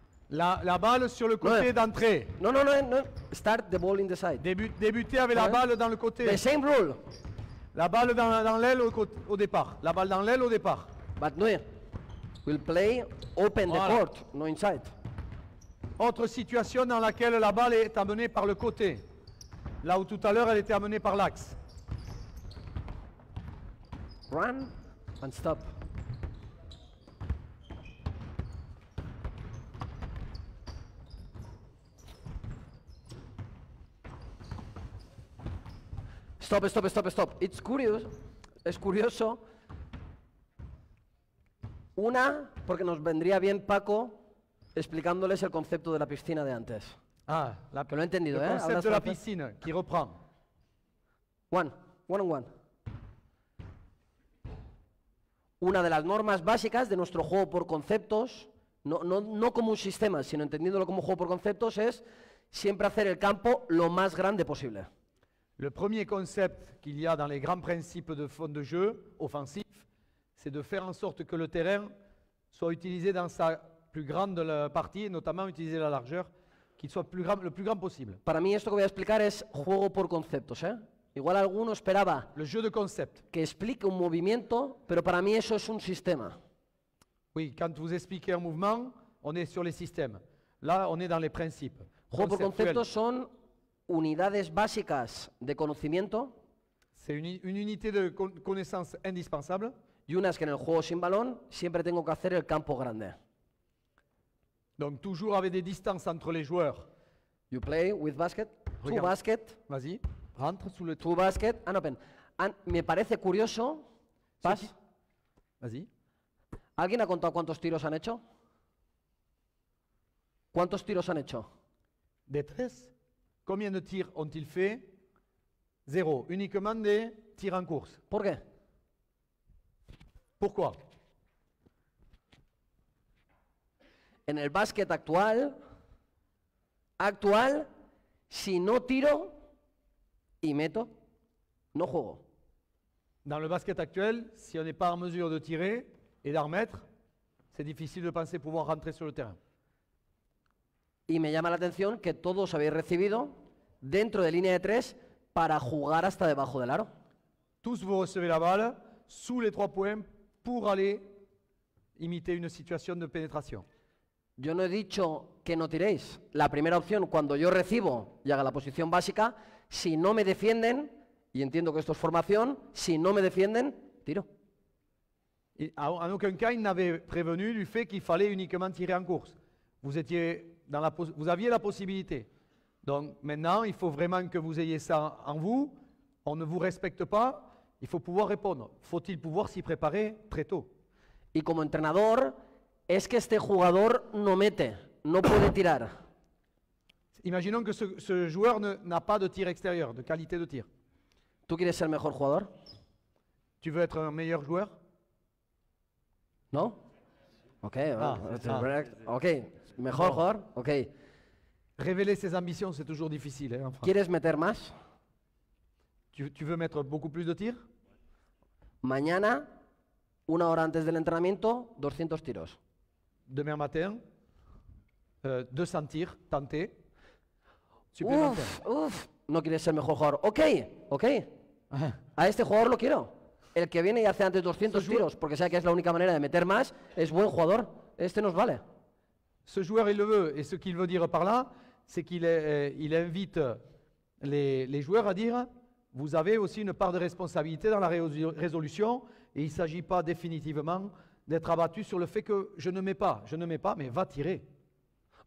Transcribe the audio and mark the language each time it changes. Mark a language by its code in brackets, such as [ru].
[fr] La balle sur le côté d'entrée. [en] No. Start the ball in the side. [fr] Débuter avec la balle dans le côté. [en] The same rule. [fr] La balle dans l'aile au départ. La balle dans l'aile au départ. [en] But no, we'll play open the court, no inside. [fr] Autre situation dans laquelle la balle est amenée par le côté. Là où tout à l'heure elle était amenée par l'axe. [en] Run and stop. Stop, stop, stop, stop. It's curious. [es] Es curioso. Una, porque nos vendría bien Paco explicándoles el concepto de la piscina de antes. Ah, la, que lo he entendido, el concepto de la piscina, [fr] qui reprend. [en] One on one. [es] Una de las normas básicas de nuestro juego por conceptos, no como un sistema, sino entendiéndolo como juego por conceptos, es siempre hacer el campo lo más grande posible. [fr] Le premier concept qu'il y a dans les grands principes de fond de jeu offensif, c'est de faire en sorte que le terrain soit utilisé dans sa plus grande partie, notamment utiliser la largeur, qu'il soit plus grand, le plus grand possible. [es] Para mí esto que voy a explicar es juego por conceptos, ¿eh? Igual alguno esperaba [fr] le jeu de concept. [es] Que explique un movimiento, pero para mí eso es un sistema. [fr] Oui, quand vous expliquez un mouvement, on est sur les systèmes. Là, on est dans les principes. [es] Juego por conceptos son unidades básicas de conocimiento. [fr] C'est une unité de connaissance indispensable. [es] Y unas que en el juego sin balón siempre tengo que hacer el campo grande. [fr] Donc toujours avec des distances entre les joueurs. [en] You play with basket. [fr] Regarde. [en] To basket. [fr] Vas-y. Rentre sous le [en] to basket. Open. [es] Me parece curioso. [en] Pass. [fr] Vas-y. [es] ¿Alguien ha contado cuántos tiros han hecho? ¿Cuántos tiros han hecho? De tres. [fr] Combien de tirs ont-ils fait? Zéro. Uniquement des tirs en course. [es] ¿Por qué? [fr] Pourquoi? [es] En el básquet actual, si no tiro y meto, no juego. [fr] Dans le basket actuel, si on n'est pas en mesure de tirer et d'en remettre, c'est difficile de penser pouvoir rentrer sur le terrain. [es] Y me llama la atención que todos habéis recibido dentro de línea de tres para jugar hasta debajo del aro. [fr] Tous vous recevez la balle sous les trois points pour aller imiter une situation de pénétration. [es] Yo no he dicho que no tiréis. La primera opción, cuando yo recibo y haga la posición básica, si no me defienden, y entiendo que esto es formación, si no me defienden, tiro. [fr] En aucun cas, il n'avait prévenu du fait qu'il fallait uniquement tirer en course. Vous aviez la possibilité. Donc maintenant, il faut vraiment que vous ayez ça en vous. On ne vous respecte pas. Il faut pouvoir répondre. Faut-il pouvoir s'y préparer très tôt? Y como entrenador, es que este jugador no mete, no puede tirar. Imaginons que ce joueur n'a pas de tir extérieur, de qualité de tir. [es] ¿Tú quieres ser mejor jugador? [fr] ¿Tu veux être un meilleur joueur? [es] ¿No? Ok, okay. Mejor jugador, ok. [fr] Révéler ses ambitions, c'est toujours difficile. Hein, [es] ¿quieres meter más? [fr] ¿Tu veux mettre beaucoup plus de tir? [es] Mañana, una hora antes del entrenamiento, 200 tiros. [fr] Demain matin, 200 tirs tentés. [es] Uf, no quieres ser mejor jugador. Ok. A este jugador lo quiero. El que viene y hace antes 200 tiros, porque sabe que es la única manera de meter más, es buen jugador. Este nos vale. [fr] Ce joueur, il le veut. Et ce qu'il veut dire par là, c'est qu'il invite les joueurs à dire « Vous avez aussi une part de responsabilité dans la résolution et il ne s'agit pas définitivement d'être abattu sur le fait que je ne mets pas, mais va tirer. »